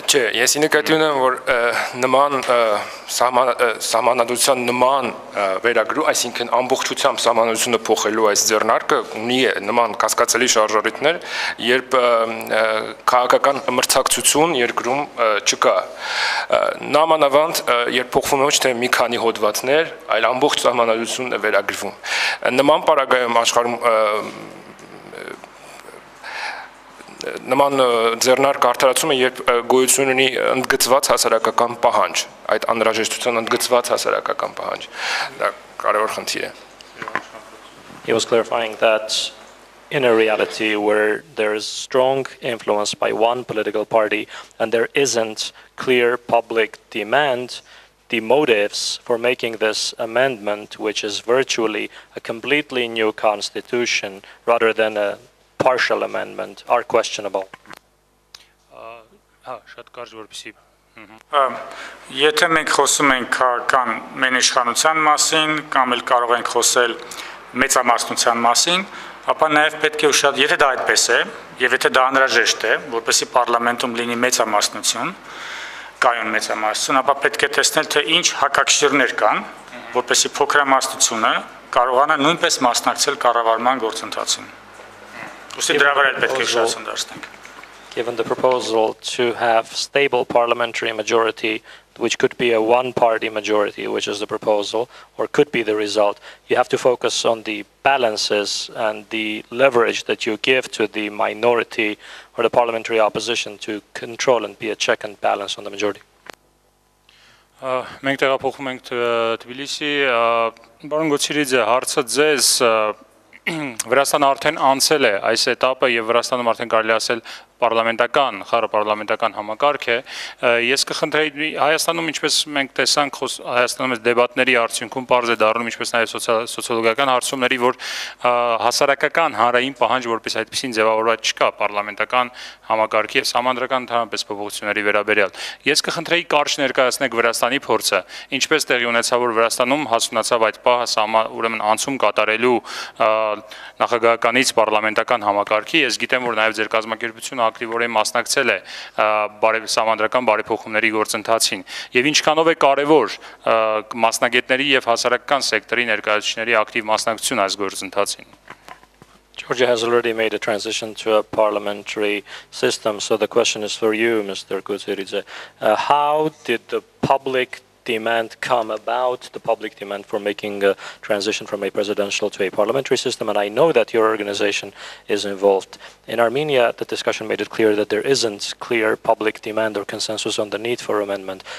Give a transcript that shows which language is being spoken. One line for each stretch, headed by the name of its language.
Armenian: Չէ, ես նկատի ունեմ, որ նման սահմանադրության նման վերագրու, այսինքն ամբողջությամբ սահմանությունը փոխելու այս ձեռնարկը ունի նման կասկածելի շարժառիթներ, երբ քաղաքական մրցակցություն երկրում չկա։ Նամանավան երբ փոխվում է ոչ թե մի քանի հոդվածներ, այլ ամբողջ ճամանալությունը վերագրվում։ Նման պարագայում աշխարհում նման ձեռնարկ արդարացումը, երբ գոյություն ունի ընդգծված հասարակական պահանջ, այդ անհրաժեշտության ընդգծված հասարակական պահանջ, դա կարևոր խնդիր է։
English: He was clarifying that in a reality where there is strong influence by one political party and there isn't clear public demand, the motives for making this amendment, which is virtually a completely new constitution rather than a partial amendment, are questionable.
Armenian: Եթե մենք խոսում ենք քաղաքական մեն իշխանության մասին, կամ էլ կարող ենք խոսել մեծամասնության մասին, ապա նաև պետք է ուշադ, եթե դա այդպես է, եւ եթե դա անհրաժեշտ է, որպեսզի parlamentum լինի մեծամասնություն, կայուն մեծամասնություն, ապա պետք է տեսնել, թե ինչ հակակշիռներ կան, որպեսզի փոքրամասնությունը կարողանա նույնպես մասնակցել կառավարման գործընթացին։ Ուստի դրա վրա էլ պետք է շարժում դարձնենք։
English: Given the proposal to have stable parliamentary majority, which could be a one-party majority, which is the proposal, or could be the result, you have to focus on the balances and the leverage that you give to the minority or the parliamentary opposition to control and be a check and balance on the majority.
Armenian: Մենք տեղափոխում ենք Թբիլիսի, պարոն Գոցիրիձե, հարցը ձեզ, Վրաստանը արդեն անցել է այս этапը եւ Վրաստանում արդեն կարելի ասել պարլամենտական, խառը պարլամենտական համակարգ է։ Ես կխնդրեի Հայաստանում, ինչպես մենք տեսանք Հայաստանում այս դեբատների արդյունքում պարզ է դառնում, ինչպես նաեւ սոցիոլոգական հարցումների, որ հասարակական հանրային պահանջ որպես այդպեսին ձևավորված չկա պարլամենտական համակարգի եւ համանդրական ընդհանրապես փոփոխությունների վերաբերյալ։ Ես կխնդրեի կարճ ներկայացնեք Վրաստանի փորձը, ինչպես տեղի ունեցավ, որ Վրաստանում հասունացավ այդ պահը, ուրեմն անցում կատարելու նախագահականից պարլամենտական համակարգի։ Ես գիտեմ, որ նաեւ ձեր կազմակերպությունը ակտիվորեն մասնակցել է համանդրական բարեփոխումների գործընթացին, եւ ինչքանով է կարեւոր մասնագետների եւ հասարակական սեկտորի ներկայացուցիչների ակտիվ մասնակցությունը այս գործընթացին։
English: Georgia has already made a transition to a parliamentary system, so the question is for you, Mr. Kutsiridze. How did the public demand come about, the public demand for making a transition from a presidential to a parliamentary system? And I know that your organization is involved. In Armenia, the discussion made it clear that there isn't clear public demand or consensus on the need for amendment.